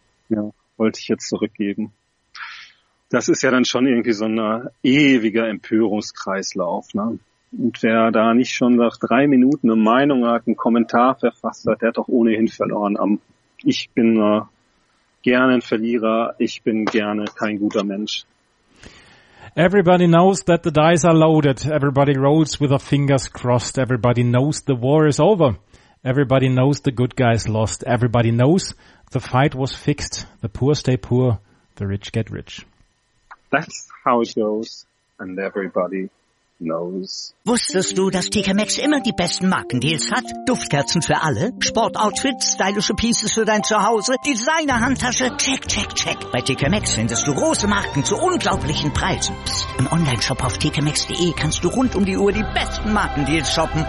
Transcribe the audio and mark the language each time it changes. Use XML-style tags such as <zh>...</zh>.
<de>Ja, wollte ich jetzt zurückgeben. Das ist ja dann schon irgendwie so ein ewiger Empörungskreislauf, ne? Und wer da nicht schon nach 3 Minuten eine Meinung hat, einen Kommentar verfasst hat, der hat doch ohnehin verloren. Ich bin gerne ein Verlierer, ich bin gerne kein guter Mensch.</de> <en>Everybody knows that the dice are loaded. Everybody rolls with their fingers crossed. Everybody knows the war is over. Everybody knows the good guys lost. Everybody knows the fight was fixed. The poor stay poor, the rich get rich. That's how it goes, and everybody knows.</en> <de>Wusstest du, dass TK Maxx immer die besten Markendeals hat? Duftkerzen für alle, Sportoutfits, stylische Pieces für dein Zuhause, Designer-Handtasche, check, check, check. Bei TK Maxx findest du große Marken zu unglaublichen Preisen. Psst. Im Onlineshop auf tkmaxx.de kannst du rund um die Uhr die besten Markendeals shoppen.</de>